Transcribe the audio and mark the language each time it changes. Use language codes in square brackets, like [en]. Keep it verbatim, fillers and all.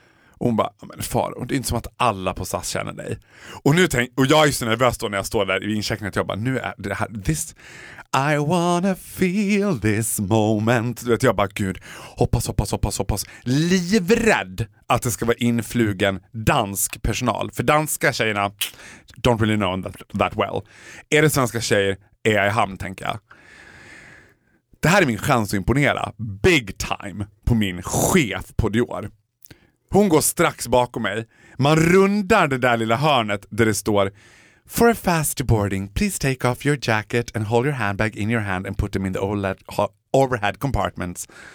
[sv] Och hon bara, men far, det är inte som att alla på S A S känner dig. Och nu tänk, och jag är ju så nervös då när jag står där i incheckningen att jag bara, nu är det här, [en] this, I wanna feel this moment. [sv] Du vet, jag bara, gud, hoppas, hoppas, hoppas, hoppas. Livrädd att det ska vara influgen dansk personal. För danska tjejerna, [en] don't really know that, that well. [sv] Är det svenska tjejer, är jag i hamn, tänker jag. Det här är min chans att imponera, [en] big time, [sv] på min chef på Dior. Hon går strax bakom mig. Man rundar det där lilla hörnet där det står [en] For a fast boarding, please take off your jacket and hold your handbag in your hand and put them in the overhead compartments.